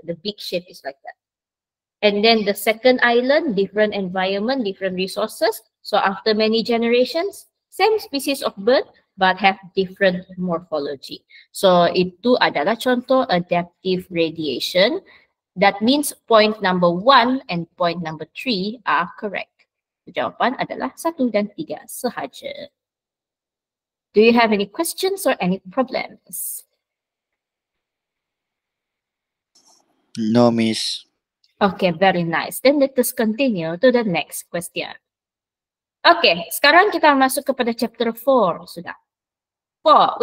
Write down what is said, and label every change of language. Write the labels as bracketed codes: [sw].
[en] The big shape is like that. And then the second island, different environment, different resources. So after many generations, same species of bird but have different morphology. [ms] So itu adalah contoh adaptive radiation. [en] That means point number 1 and point number 3 are correct. [ms] Jawapan adalah 1 dan 3 sahaja. [en] Do you have any questions or any problems? No, miss. Okay, very nice. Then let us continue to the next question. Okay, [ms] sekarang kita masuk kepada chapter 4 sudah. [en] 4.